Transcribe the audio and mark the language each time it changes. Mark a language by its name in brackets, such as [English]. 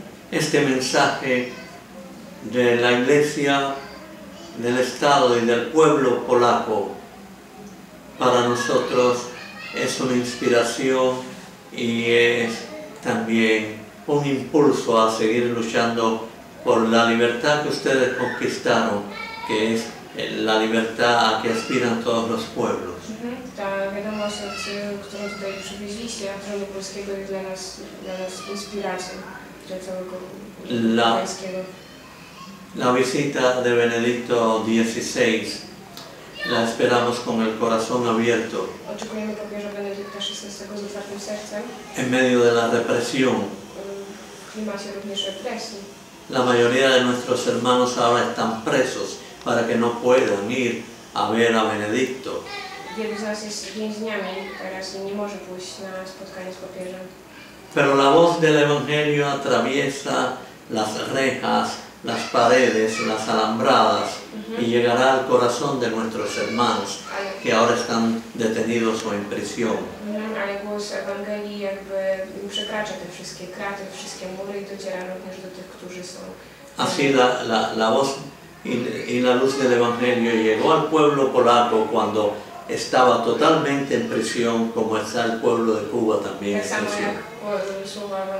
[Spanish] Este mensaje de la Iglesia, del Estado y del pueblo polaco para nosotros es una inspiración y es también un impulso a seguir luchando por la libertad que ustedes conquistaron, que es la libertad a que aspiran todos los pueblos. [Polish] Ta wiadomość, którą tutaj przywieźliście, a tronu polskiego jest dla nas inspiracją dla całego polskiego. [Spanish] La visita de Benedicto XVI la esperamos con el corazón abierto. [Polish] Oczekujemy papieża Benedykta XVI z otwartym sercem. [Spanish] En medio de la represión. [Polish] W klimacie również represji. [Spanish] La mayoría de nuestros hermanos ahora están presos para que no puedan ir a ver a Benedicto. [Polish] Wielu z nas jest więźniami teraz i nie może pójść na spotkanie z papieżem. [Spanish] Pero la voz del Evangelio atraviesa las rejas, las paredes, las alambradas y llegará al corazón de nuestros hermanos que ahora están detenidos o en prisión. [Polish] Ale głos Ewangelii jakby przekracza te wszystkie kraty, wszystkie mury i dociera również do tych, którzy są. [Spanish] Así la voz y la luz del Evangelio llegó al pueblo polaco cuando estaba totalmente en prisión, como está el pueblo de Cuba también en prisión.